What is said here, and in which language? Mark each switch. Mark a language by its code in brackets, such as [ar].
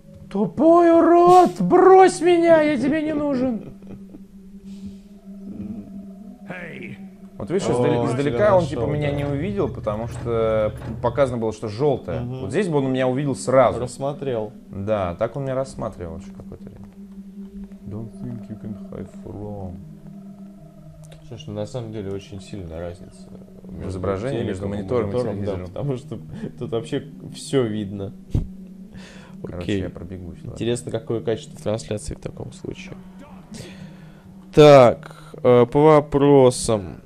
[ru] Тупой урод, брось меня, я тебе не нужен. Вот видишь, издалека он типа меня не увидел, потому что показано было, что желтое. Вот здесь бы он меня увидел сразу. Рассмотрел. Да, так он меня рассматривал еще какое-то время. [en] Don't think you can hide from. [ru] Слушай, на самом деле очень сильная разница. Изображение между монитором и телевизором. Да, потому что тут вообще все видно. Короче, я пробегусь. Ладно. Интересно, какое качество трансляции в таком случае. Так, по вопросам.